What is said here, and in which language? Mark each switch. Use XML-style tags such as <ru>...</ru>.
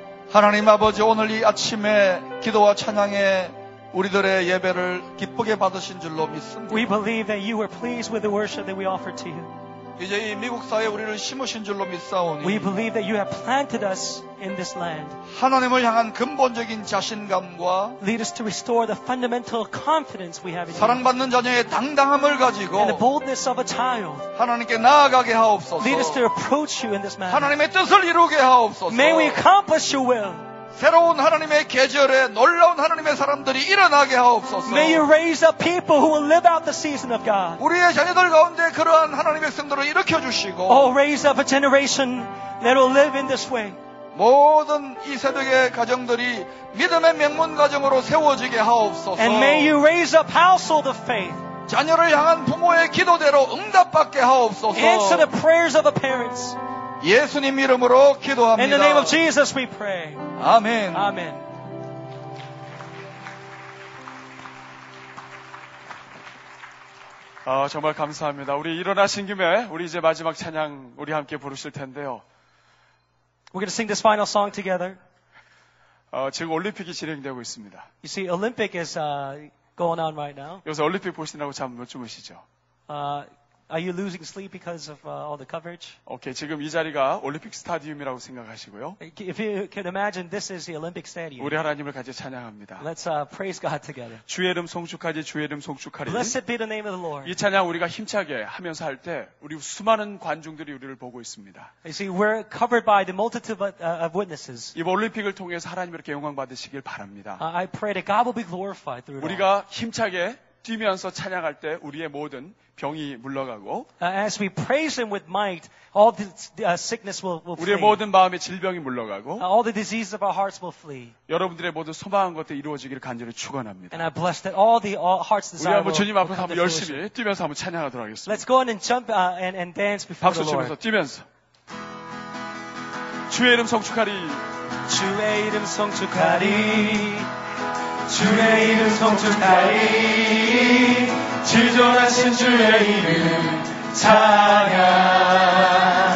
<ko>하나님 아버지 오늘 이 아침에 기도와 찬양에 우리들의 예배를 기쁘게 받으신 줄로 믿습니다.</ko> <en>We believe that you were pleased with the worship that we offered to you.</en> <ko>이제 이 미국 사회에 우리를 심으신 줄로 믿사오니</ko> <en>We believe that you have planted us in this land.</en> <ko>하나님을 향한 근본적인 자신감과</ko> <en>Lead us to restore the fundamental confidence we have in</en> <ko>사랑받는 자녀의 당당함을 가지고</ko> <en>And the boldness of a child.</en> <ko>하나님께 나아가게 하옵소서.</ko> <en>Lead us to approach you in this manner.</en> <ko>하나님의 뜻을 이루게 하옵소서.</ko> <en>May we accomplish your will.</en> <ko>새로운 하나님의 계절에 놀라운 하나님의 사람들이 일어나게 하옵소서.</ko> <en>May you raise up people who will live out the season of God.</en> <ko>우리의 자녀들 가운데 그러한 하나님의 백성들을 일으켜 주시고.</ko> <en>Oh, raise up a generation that will live in this way.</en> <ko>모든 이 새벽의 가정들이 믿음의 명문 가정으로 세워지게 하옵소서.</ko> <en>And may you raise up household of faith.</en> <ko>자녀를 향한 부모의 기도대로 응답받게 하옵소서.</ko> <en>Answer the prayers of the parents.</en> <ko>예수님 이름으로 기도합니다.</ko> <en>In the name of Jesus we pray.</en> <ko>아멘. 아멘. 아, 정말 감사합니다. 우리 일어나신 김에 우리 이제 마지막 찬양 우리 함께 부르실 텐데요.</ko> <en>We're going to sing this final song together.</en> <ko>지금 올림픽이 진행되고 있습니다.</ko> <en>You see, Olympic is going on right now.</en> <ko>여기서 올림픽 보시느라고 잠 못 주무시죠?</ko> <en>Are you losing sleep because of all the coverage?</en> <ko>Okay, 지금 이 자리가 올림픽 스타디움이라고 생각하시고요.</ko> <en>If you can imagine, this is the Olympic Stadium.</en> <ko>우리 하나님을 같이 찬양합니다.</ko> <en>Let's praise God together.</en> <ko>주의 이름 송축하지, 주의 이름 송축하리.</ko> <en>Blessed be the name of the Lord.</en> <ko>이 찬양 우리가 힘차게 하면서 할 때 우리 수많은 관중들이 우리를 보고 있습니다.</ko> <en>You see, we're covered by the multitude of witnesses.</en> <ko>이 올림픽을 통해서 하나님 이렇게 영광 받으시길 바랍니다.</ko> <en>I pray that God will be glorified through it.</en> <ko>우리가 힘차게 뛰면서 찬양할 때 우리의 모든 병이 물러가고</ko> <en>as we praise him with might all the sickness will flee</en> <ko>우리의 모든 마음의 질병이 물러가고</ko> <en>all the diseases of our hearts will flee</en> <ko>여러분들의 모든 소망한 것도 이루어지기를 간절히 축원합니다.</ko> <en>And I bless that all the hearts desire</en> <ko>우리 한번 주님 앞에서 한번 열심히 뛰면서 한번 찬양하도록 하겠습니다.</ko> <en>Let's go on and jump and dance before the Lord.</en> <ko>박수 치면서 뛰면서 주의 이름 송축하리 주의 이름 송축하리 주의 이름 송축하리 지존하신 주의 이름 찬양</ko>